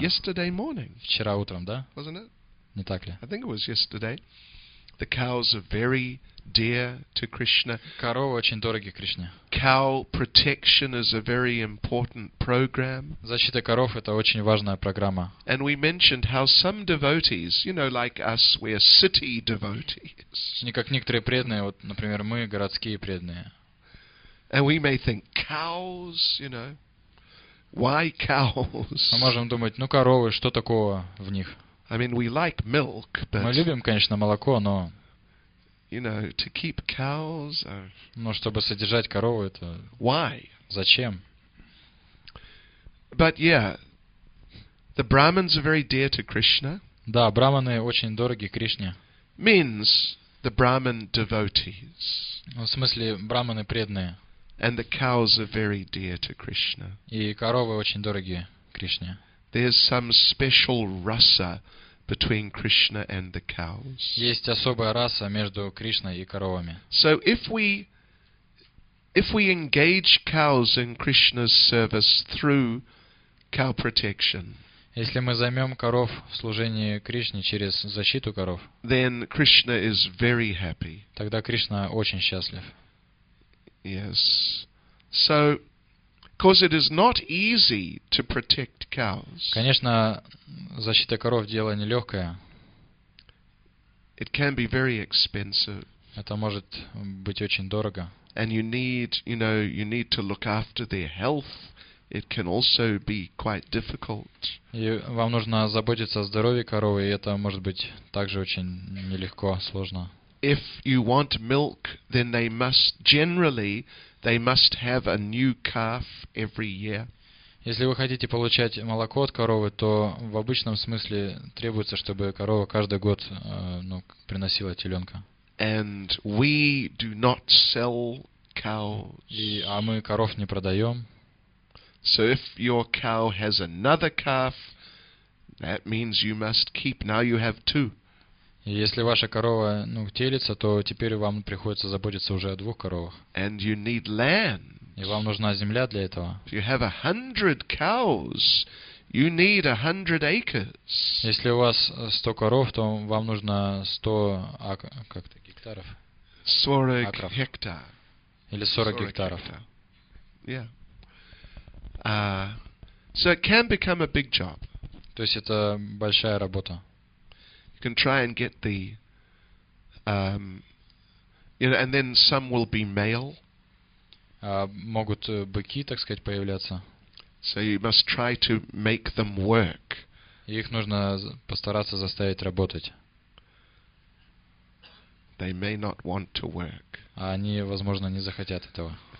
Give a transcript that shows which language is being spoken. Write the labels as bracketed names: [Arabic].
[English] Yesterday morning. [Russian] Вчера утром, да? [English] Wasn't it? [Russian] Не так ли? [English] I think it was yesterday. The cows are very dear to Krishna. [Russian] Коровы очень дороги Кришне. [English] Cow protection is a very important program. [Russian] Защита коров это очень важная программа. [English] And we mentioned how some devotees, you know, like us, we are city devotees. [Russian] Не как некоторые преданные, вот, например, мы городские преданные. [English] And we may think cows, you know, why cows? [Russian] Мы можем думать, ну коровы, что такого в них? [English] I mean, we like milk, but [Russian] мы любим, конечно, молоко, но, [English] you know, to keep cows, [Russian] но чтобы содержать корову, это [English] why? [Russian] Зачем? [English] But yeah, the Brahmins are very dear to Krishna. [Russian] Да, брахманы очень дороги Кришне. [English] Means the Brahmin devotees. [Russian] В смысле брахманы преданные. [English] And the cows are very dear to Krishna. [Russian] И коровы очень дороги Кришне. [English] There's some special rasa between Krishna and the cows. [Russian] Есть особая раса между Кришной и коровами. [English] So if we engage cows in Krishna's service through cow protection. [Russian] Если мы займем коров в служении Кришне через защиту коров, [English] then Krishna is very happy. [Russian] Тогда Кришна очень счастлив. [English] Yes. So, because it is not easy to protect cows. [Russian] Конечно, защита коров дело нелегкое. [English] It can be very expensive. [Russian] Это может быть очень дорого. [English] And you need to look after their health. It can also be quite difficult. [Russian] И вам нужно заботиться о здоровье коровы, и это может быть также очень нелегко, сложно. [English] If you want milk, then they must have a new calf every year. [Russian] Если вы хотите получать молоко от коровы, то в обычном смысле требуется, чтобы корова каждый год, приносила теленка. [English] And we do not sell cows. [Russian] А мы коров не продаем. [English] So if your cow has another calf, that means you must keep. Now you have two. [Russian] Если ваша корова, телится, то теперь вам приходится заботиться уже о двух коровах. [English] And you need land. [Russian] И вам нужна земля для этого. [English] If you have 100 cows, you need 100 acres. [Russian] Если у вас 100 коров, то вам нужно 100 гектаров. 40 гектар. Или 40 гектаров. [English] Yeah. So it can become a big job. [Russian] То есть это большая работа. [English] You can try and get the and then some will be male. [Russian] Могут быки, так сказать, появляться. [English] So you must try to make them work. [Russian] Их нужно постараться заставить работать. [English] They may not want to work. [Russian] А они, возможно, не захотят этого.